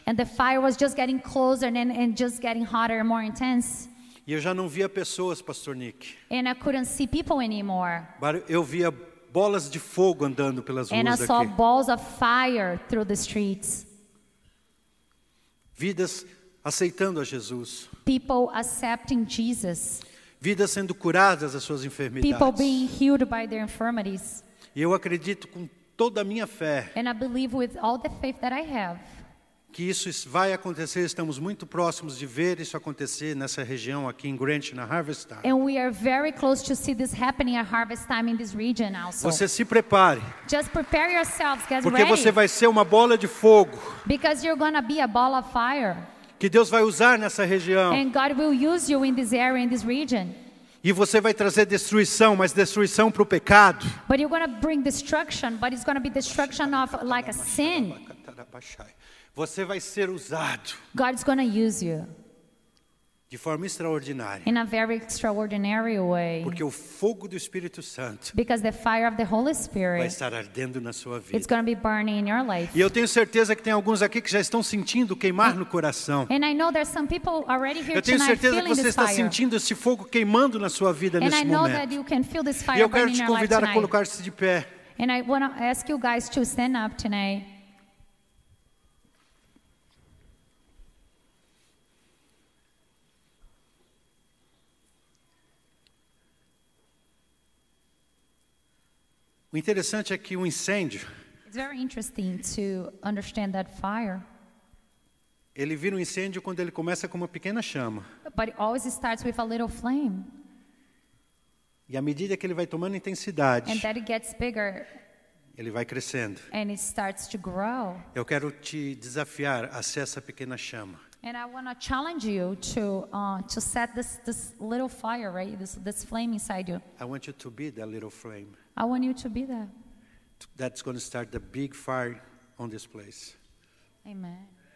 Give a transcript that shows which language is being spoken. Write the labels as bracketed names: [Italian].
[English] And the fire was just getting closer and just getting hotter and more intense. [Portuguese] E eu já não via pessoas, Pastor Nick. [English] And I couldn't see people anymore. [Portuguese] Mas eu via bolas de fogo andando pelas ruas [English] and [Portuguese] aqui. [English] And I saw balls of fire through the streets. [Portuguese] Vidas aceitando a Jesus. [English] People accepting Jesus. [Portuguese] Vidas sendo curadas das suas enfermidades. [English] People being healed by their infirmities. [Portuguese] E eu acredito com toda a minha fé. [English] And I believe with all the faith that I have. [Portuguese] Que isso vai acontecer, estamos muito próximos de ver isso acontecer nessa região aqui em Grant, na Harvest Time. [English] And we are very close to see this happening at Harvest Time in this region also. [Portuguese] Você se prepare. [English] Just prepare yourselves, get ready. [Portuguese] Porque você vai ser uma bola de fogo. [English] Because you're going to be a ball of fire. [Portuguese] Que Deus vai usar nessa região. [English] And God will use you in this area, in this region. [Portuguese] E você vai trazer destruição, mas destruição para o pecado. [English] But you're going to bring destruction, but it's going to be destruction of like a sin. [Portuguese] Você vai ser usado. [English] God is going to use you. [Portuguese] De forma extraordinária. [English] In a very extraordinary way. [Portuguese] Porque o fogo do Espírito Santo. [English] Because the fire of the Holy Spirit. [Portuguese] Vai estar ardendo na sua vida. [English] It's going to be burning in your life. [Portuguese] E eu tenho certeza que tem alguns aqui que já estão sentindo queimar no coração. [English] And I know there's some people already here tonight feeling this fire. [Portuguese] Eu tenho certeza que você está sentindo esse fogo queimando na sua vida nesse momento. [English] And I know that you can feel this fire burning in your life tonight. [Portuguese] E eu quero te convidar a colocar-se de pé. [English] And I want to ask you guys to stand up tonight. [Portuguese] O interessante é que o incêndio. [English] It's very interesting to understand that fire. [Portuguese] Ele vira um incêndio quando ele começa com uma pequena chama. [English] But it always starts with a little flame. [Portuguese] E à medida que ele vai tomando intensidade. [English] And that it gets bigger. [Portuguese] Ele vai crescendo. [English] And it starts to grow. [Portuguese] Eu quero te desafiar a ser essa pequena chama. [English] And I want to challenge you to set this little fire, right? This flame inside you. I want you to be that little flame. I want you to be there. That's going to start the big fire on this place. Amen.